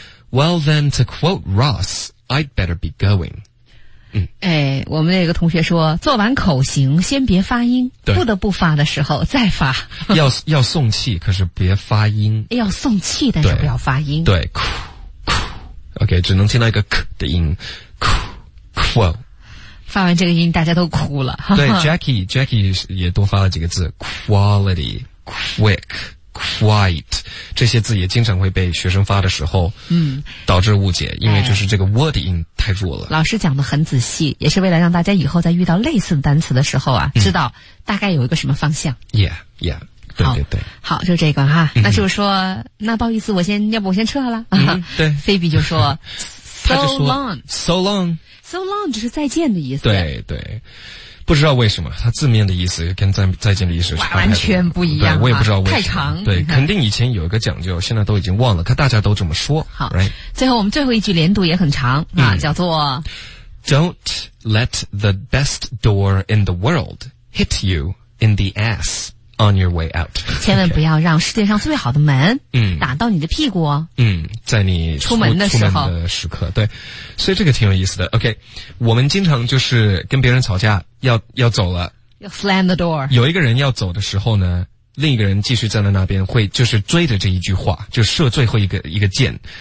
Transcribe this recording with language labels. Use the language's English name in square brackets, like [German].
[English] Well then, to quote Ross, I'd better be going. [Chinese] 我们那个同学说，做完口型先别发音，不得不发的时候再发。要送气，可是别发音。要送气，但是不要发音。对，哭哭。 OK, 只能听到一个咳的音。哭哭。发完这个音，大家都哭了。对，Jackie 也多发了几个字。Quality, quick, quiet 这些字也经常会被学生发的时候，导致误解，因为就是这个 word 音太弱了。老师讲得很仔细，也是为了让大家以后在遇到类似的单词的时候啊，知道大概有一个什么方向。 Yeah. 对，好，就这个哈。那就是说，那不好意思，我先撤了。对，菲比就说，So [English] long，So long，So [Chinese] long 就是再见的意思。对对，不知道为什么，它字面的意思跟再见的意思是完全不一样。对，我也不知道为什么，太长。对，肯定以前有一个讲究，现在都已经忘了，可大家都这么说。好， [English] right? [Chinese] 最后我们最后一句连读也很长啊，叫做 [English] Don't let the best door in the world hit you in the ass. On your way out. [Chinese] 千万不要让世界上最好的门打到你的屁股。在你出门的时候。出门的时刻，对。所以这个挺有意思的。 OK, 我们经常就是跟别人吵架要走了。要 [English] slam the door. [Chinese] 有一个人要走的时候呢，另一个人继续站在那边会就是追着这一句话，就射最后一个箭。